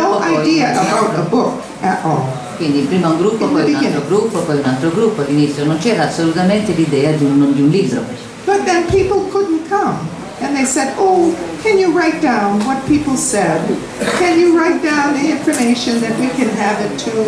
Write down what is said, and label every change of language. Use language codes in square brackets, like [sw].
[en] no idea about a book at all. [it] Quindi prima un gruppo, poi un altro gruppo, poi un altro gruppo. All'inizio non c'era assolutamente l'idea di un libro. [en] But then people couldn't come, and they said, "Oh, can you write down what people said? Can you write down the information that we can have it to?"